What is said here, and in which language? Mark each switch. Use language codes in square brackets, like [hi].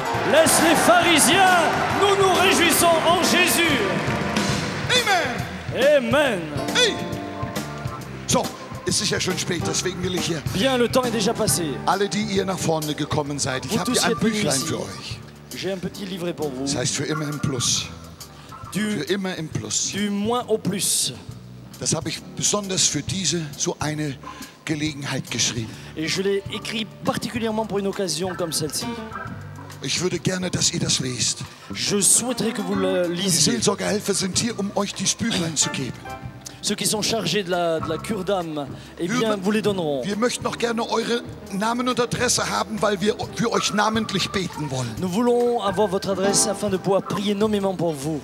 [fr] Laisse les pharisiens, nous nous réjouissons en Jésus. [de] Amen. [fr] Amen. Hey. [de] So, es ist ja schon spät, deswegen will ich hier. [fr] Bien, le temps est déjà passé. [de] Alle, die ihr nach vorne gekommen seid, ich habe hier ein Büchlein für euch. [fr] J'ai un petit livret pour vous. [de] Das heißt für immer im Plus. Für immer im Plus. [fr] Du moins au plus. [de] Das habe ich besonders für diese so eine Gelegenheit geschrieben. [fr] Et je l'ai écrit particulièrement pour une occasion comme celle-ci. [de] Ich würde gerne, dass ihr das lest. [fr] Je souhaiterais que vous le lisiez. [de] Die Seelsorgehelfer sind hier, um euch dieses Büchlein zu geben. [fr] Ceux qui sont chargés de la cure d'âme, eh bien, vous les donneront. [de] Wir möchten auch gerne eure Namen und Adresse haben, weil wir für euch namentlich beten wollen. [fr] Nous voulons avoir votre adresse afin de pouvoir prier nommément pour vous.